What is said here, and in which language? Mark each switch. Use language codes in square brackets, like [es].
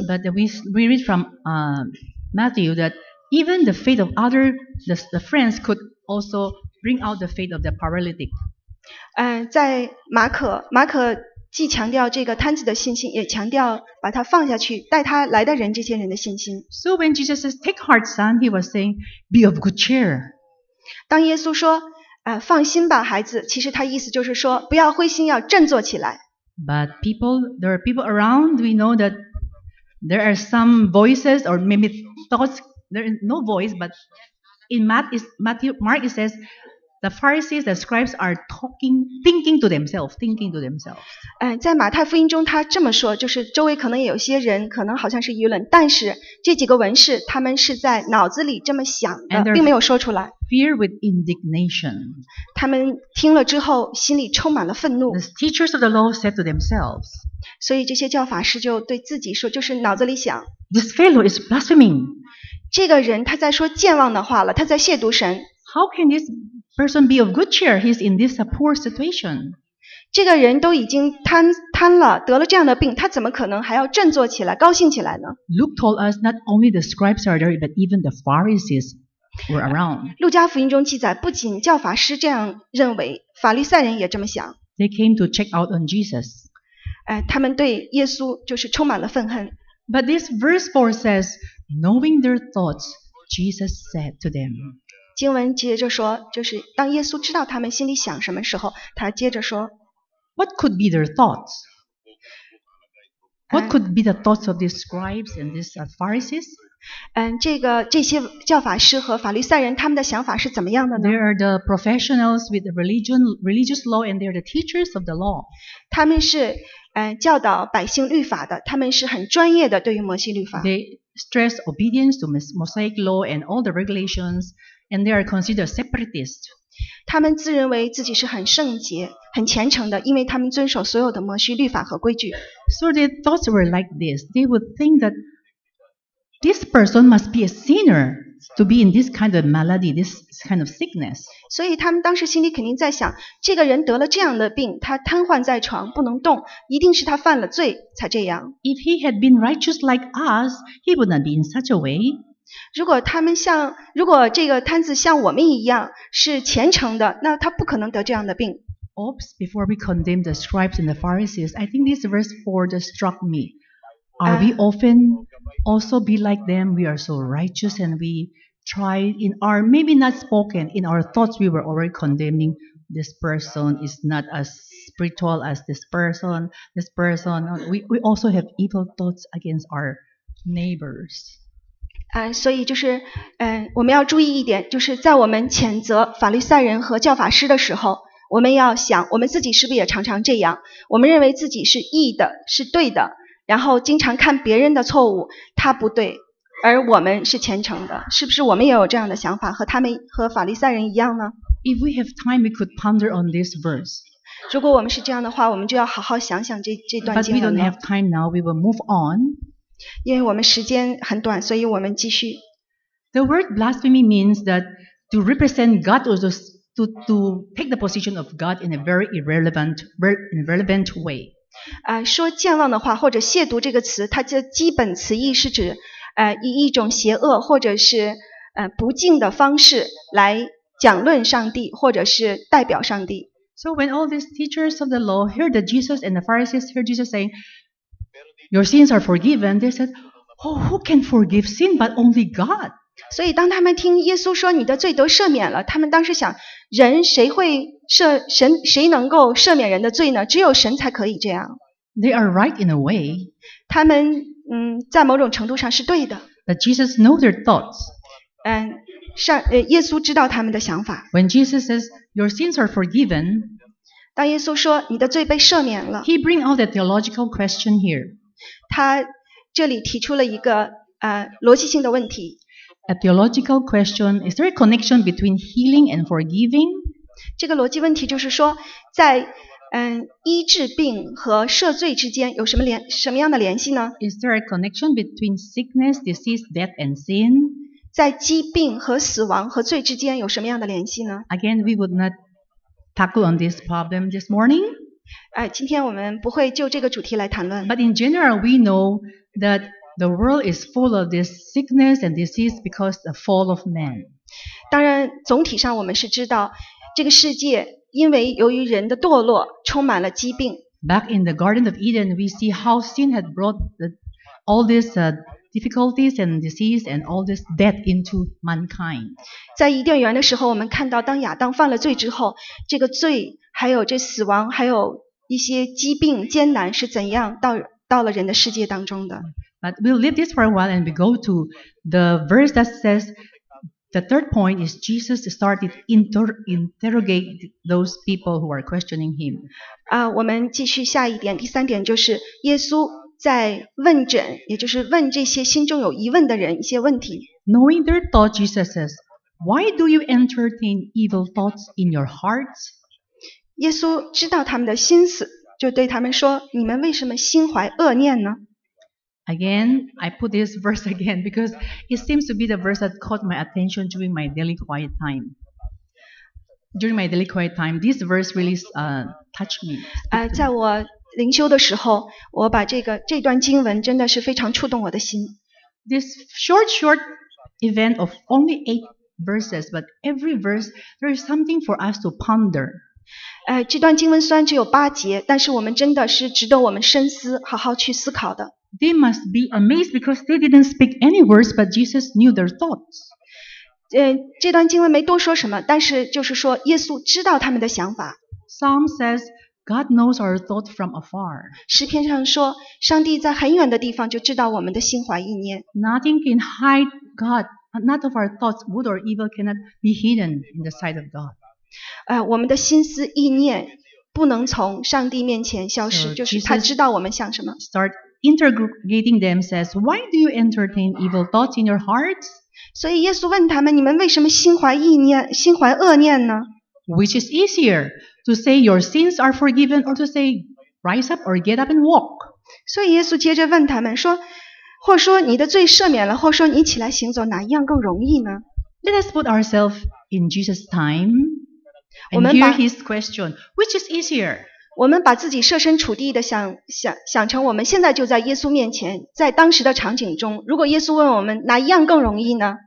[en] But we read from Matthew that even the faith of the friends could also bring out the faith of the paralytic. [zh] 在马可既强调这个瘫子的信心，也强调把他放下去带他来的人这些人的信心。 [en] So when Jesus says, "Take heart, son," he was saying, "Be of good cheer." [zh] 当耶稣说放心吧，孩子。其实他意思就是说，不要灰心，要振作起来。 [en] But there are people around. We know that there are some voices or maybe thoughts. There is no voice, but in Mark it says the Pharisees, the scribes are talking, thinking to themselves. [zh] 在马太福音中他这么说，就是周围可能有些人可能好像是议论，但是这几个文士他们是在脑子里这么想的，并没有说出来。 [en] Fear with indignation. [zh] 他们听了之后，心里充满了愤怒。 [en] The teachers of the law said to themselves. [zh] 所以这些教法师就对自己说，就是脑子里想。 [en] This fellow is blaspheming. [zh] 这个人他在说健忘的话了，他在亵渎神。 [en] How can this person be of good cheer? He's in this poor situation. [zh] 这个人都已经瘫了，得了这样的病，他怎么可能还要振作起来，高兴起来呢？ [en] Luke told us not only the scribes are there, but even the Pharisees. We're around. [zh] 路加福音中记载，不仅教法师这样认为，法利赛人也这么想。 [en] They came to check out on Jesus. [zh] 他们对耶稣就是充满了愤恨。 [en] But this verse 4 says, knowing their thoughts, Jesus said to them. [zh] 经文接着说，就是当耶稣知道他们心里想什么时候，他接着说， [en] What could be their thoughts? What could be the thoughts of these scribes and these Pharisees? [zh] 这些教法师和法律赛人他们的想法是怎么样的呢？ [en] They are the professionals with the religious law and they are the teachers of the law. [zh] 他们是教导百姓律法的，他们是很专业的对于摩西律法。 [en] They stress obedience to Mosaic law and all the regulations and they are considered separatists. [zh] 他们自认为自己是很圣洁很虔诚的，因为他们遵守所有的摩西律法和规矩。 [en] So their thoughts were like this. They would think thatThis person must be a sinner to be in this kind of malady, this kind of sickness. [zh] 所以他们当时心里肯定在想，这个人得了这样的病，他瘫痪在床不能动，一定是他犯了罪才这样。 [en] If he had been righteous like us, he would not be in such a way. [zh] 如果这个瘫子像我们一样是虔诚的，那他不可能得这样的病。 [en] Oops, before we condemn the scribes and the Pharisees, I think this verse 4 just struck me. Are we often also be like them? We are so righteous and we tried in our, maybe not spoken, in our thoughts we were already condemning, this person is not as spiritual as this person. We also have evil thoughts against our neighbors. [zh] 所以就是我们要注意一点，就是在我们谴责法利赛人和教法师的时候，我们要想我们自己是不是也常常这样，我们认为自己是义的，是对的，然后经常看别人的错误，他不对，而我们是虔诚的，是不是我们也有这样的想法，和他们和法利赛人一样呢？ [en] If we have time, we could ponder on this verse. [zh] 如果我们是这样的话，我们就要好好想想这段经文 [en] 了。But we don't have time now. We will move on. [zh] 因为我们时间很短，所以我们继续。 [en] The word blasphemy means that to represent God or to take the position of God in a very irrelevant way. [zh] 说健忘的话或者亵渎这个词，它的基本词义是指以一种邪恶或者是不敬的方式来讲论上帝或者是代表上帝。 [en] So when all these teachers of the law heard that Jesus and the Pharisees heard Jesus saying, your sins are forgiven, they said, oh, who can forgive sin but only God? [zh] 所以当他们听耶稣说你的罪都赦免了，他们当时想，人谁会赦，神谁能够赦免人的罪呢？只有神才可以这样。 [en] They are right in a way. [zh] 他们在某种程度上是对的。 [en] But Jesus knows their thoughts. [zh] 耶稣知道他们的想法。 [en] When Jesus says, your sins are forgiven, [zh] 当耶稣说你的罪被赦免了， [en] He bring out a theological question here. [zh] 他这里提出了一个逻辑性的问题。 [en] A theological question, is there a connection between healing and forgiving? [zh] 这个逻辑问题就是说，在医治病和赦罪之间有什么样的联系呢？ [en] Is there a connection between sickness, disease, death and sin? [zh] 在疾病和死亡和罪之间有什么样的联系呢？ [en] Again, we would not tackle on this problem this morning. [zh] 今天我们不会就这个主题来谈论。 [en] But in general, we know that the world is full of this sickness and disease because of the fall of man. [zh] 当然，总体上我们是知道这个世界因为由于人的堕落充满了疾病。 [en] Back in the Garden of Eden, we see how sin had brought all these difficulties and disease and all this death into mankind. [zh] 在伊甸园的时候，我们看到当亚当犯了罪之后，这个罪还有这死亡还有一些疾病艰难是怎样到了人的世界当中的。 [en] But we'll leave this for a while and we go to the verse that says,The third point is Jesus started interrogate those people who are questioning him. [zh] 我们继续下一点，第三点就是耶稣在问诊，也就是问这些心中有疑问的人一些问题。 [en] Knowing their thoughts, Jesus says, "Why do you entertain evil thoughts in your hearts?" [zh] 耶稣知道他们的心思，就对他们说：“你们为什么心怀恶念呢？” [en] Again, I put this verse again because it seems to be the verse that caught my attention during my daily quiet time. During my daily quiet time, this verse really touched me. [zh] 在我灵修的时候，我把这段经文真的是非常触动我的心。 [en] This short event of only 8 verses, but every verse, there is something for us to ponder. [zh] 这段经文虽然只有八节，但是我们真的是值得我们深思，好好去思考的。 [en] They must be amazed because they didn't speak any words, but Jesus knew their thoughts. [zh] 这段经文没多说什么，但是就是说耶稣知道他们的想法。 [en] Psalm says, God knows our thoughts from afar. [zh] 诗篇上说，上帝在很远的地方就知道我们的心怀意念。 [en] Nothing can hide God, not of our thoughts, good or evil cannot be hidden in the sight of God. [zh] 我们的心思意念不能从上帝面前消失，就是他知道我们想什么。 [en] Start interrogating them says, why do you entertain evil thoughts in your hearts? [zh] 所以耶稣问他们，你们为什么心怀意念，心怀恶念呢？ [en] Which is easier, to say your sins are forgiven or to say rise up or get up and walk? [zh] 所以耶稣接着问他们说，或说你的罪赦免了，或说你起来行走，哪一样更容易呢？ [en] Let us put ourselves in Jesus' time and hear his question, which is easier? [zh] 我们把自己设身处地的想成我们现在就在耶稣面前，在当时的场景中，如果耶稣问我们哪一样更容易呢？